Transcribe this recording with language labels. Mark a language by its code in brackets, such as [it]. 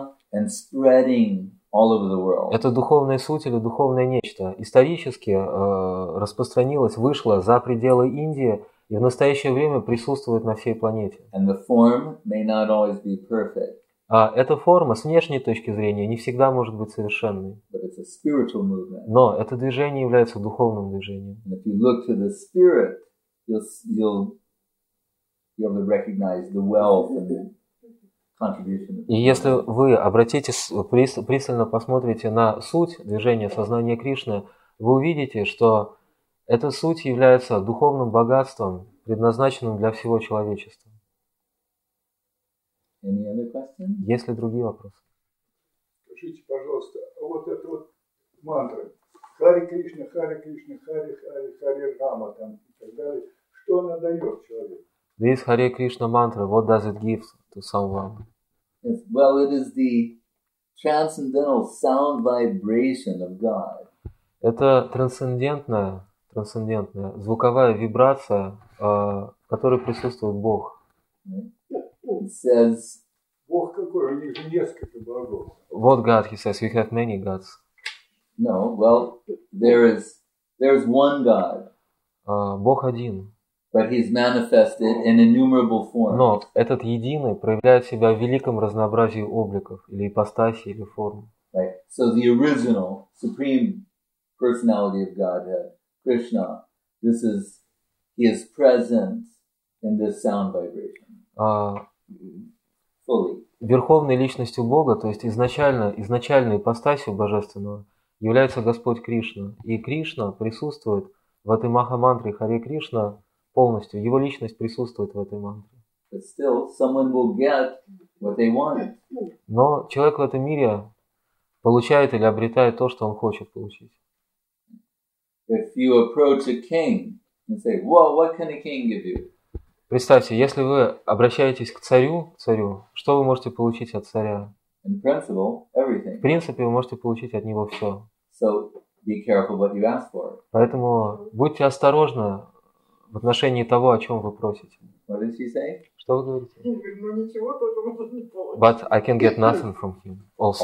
[ru] Это духовная суть или духовное нечто исторически распространилось, вышло за пределы Индии и в настоящее время присутствует на всей планете. [en] And the form may not always be perfect. [ru] А эта форма с внешней точки зрения не всегда может быть совершенной. [en] But it's a spiritual movement. [ru] Но это движение является духовным движением. [en] And if you look to the spirit, you'll be able to recognize the wealth and the contribution. [ru] И если вы пристально посмотрите на суть движения сознания Кришны, вы увидите, что эта суть является духовным богатством, предназначенным для всего человечества. [en] Any other questions? [ru] Есть ли другие вопросы? Скажите, пожалуйста, вот эта вот мантра Хари Кришна, Хари Кришна, Хари Хари, Хари Рама там и так далее, что она дает человеку? [en] This Hare Krishna mantra, what does it give to someone? Yes. Well, it is the transcendental sound vibration of God. [ru] Это трансцендентная, трансцендентная звуковая вибрация, в которой присутствует Бог. [en] It says, [ru] Бог какой, у них же несколько богов. [en] What God, he says, we have many gods. No, well, there is one God. [ru] Бог один. [en] But he's manifested in innumerable forms. [ru] Но этот единый проявляет себя в великом разнообразии обликов, или ипостасей, или форм. [en] Right. So the original, supreme personality of Godhead, Krishna, this is, he is present in this sound vibration. Fully. [ru] Верховной личностью Бога, то есть изначальной ипостасью божественного, является Господь Кришна. И Кришна присутствует в этой Маха-мантре Харе Кришна полностью. Его личность присутствует в этой мантре. [en] But still, someone will get what they want. [ru] Но человек в этом мире получает или обретает то, что он хочет получить. [en] If you approach a king and say, well, what can a king give you? [ru] Представьте, если вы обращаетесь к царю, что вы можете получить от царя? [en] In principle, everything. [ru] В принципе, вы можете получить от него все. [en] So, be careful what you ask for. [ru] Поэтому будьте осторожны в отношении того, о чем вы просите. [en] What did she say? [ru] Что вы говорите? Ну ничего, только можно не получить. [en] But I can get nothing from him also.